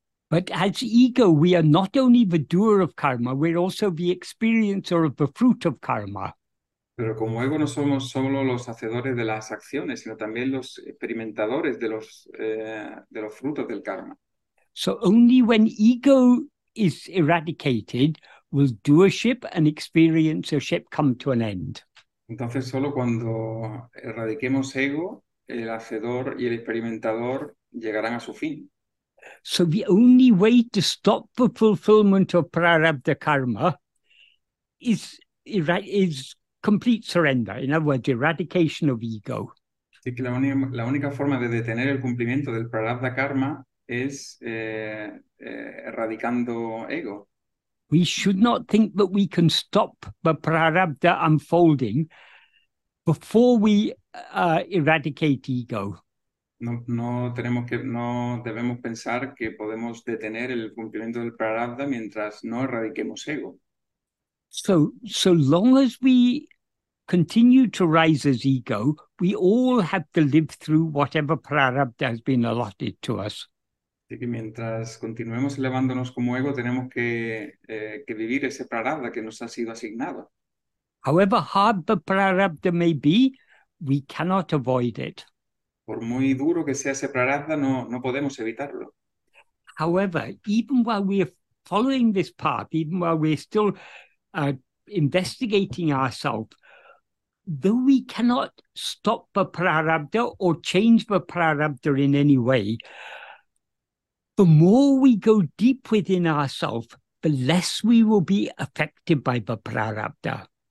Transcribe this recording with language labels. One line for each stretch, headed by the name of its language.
English: But as ego, we are not only the doer of karma, we're also the experiencer of the fruit of karma.
Spanish: Pero como ego no somos solo los hacedores de las acciones, sino también los experimentadores de los frutos del karma.
English: So only when ego is eradicated will doership and experiencership come to an end.
Spanish: Entonces solo cuando erradiquemos ego, el hacedor y el experimentador llegarán a su fin.
English: So the only way to stop the fulfillment of prarabdha karma is complete surrender, in other words, eradication of ego.
Spanish: Así que la única forma de detener el cumplimiento del prarabdha karma es erradicando ego.
English: We should not think that we can stop the prarabdha unfolding before we eradicate ego.
Spanish: No debemos pensar que podemos detener el cumplimiento del prarabdha mientras no erradiquemos ego.
English: So long as we continue to rise as ego, we all have to live through whatever prarabdha has been allotted to us.
Spanish: Así que mientras continuemos elevándonos como ego, tenemos que vivir ese prarabdha que nos ha sido asignado.
English: However hard the prarabdha may be, we cannot avoid it.
Spanish: Por muy duro que sea ese prarabdha, no podemos evitarlo.
English: However, even while we are following this path, even while we're still investigating ourselves, though we cannot stop the prarabdha or change the prarabdha in any way, the more we go deep within ourselves, the less we will be affected by the prarabdha.